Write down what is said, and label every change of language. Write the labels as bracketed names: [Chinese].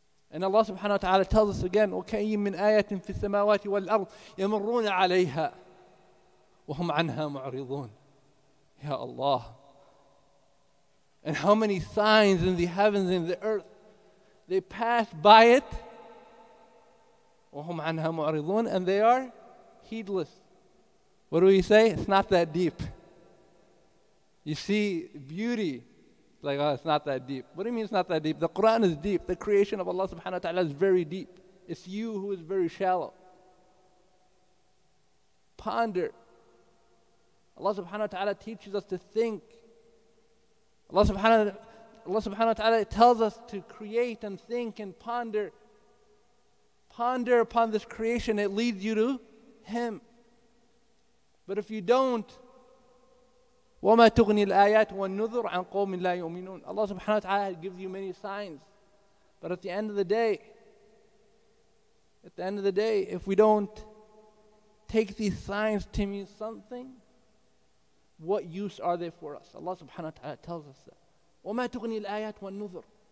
[English] And Allah subhanahu wa ta'ala tells us again, [Arabic] وَكَيِّمْ مِنْ آيَةٍ فِي السَّمَاوَاتِ وَالْأَرْضِ يَمُرُّونَ عَلَيْهَا وَهُمْ عَنْهَا مُعْرِضُونَ. [English] Ya Allah. And how many signs in the heavens and the earth, they pass by it, [Arabic] وَهُمْ عَنْهَا مُعْرِضُونَ, [English] and they are heedless. What do we say? It's not that deep. You see beauty, like, oh, it's not that deep. What do you mean it's not that deep? The Quran is deep. The creation of Allah subhanahu wa ta'ala is very deep. It's you who is very shallow. Ponder. Allah subhanahu wa ta'ala teaches us to think. Allah subhanahu wa ta'ala tells us to create and think and ponder. Ponder upon this creation, it leads you to Him. But if you don't, [Arabic] وَمَا تُغْنِي الْآيَاتُ وَالنُّذُرُ عَنْ قَوْمٍ لَا يُؤْمِنُونَ. [English] Allah subhanahu wa ta'ala gives you many signs. But at the end of the day, if we don't take these signs to mean something, what use are they for us? Allah subhanahu wa ta'ala tells us that. [Arabic] وَمَا تُغْنِي الْآيَاتُ وَالنُّذُرُ.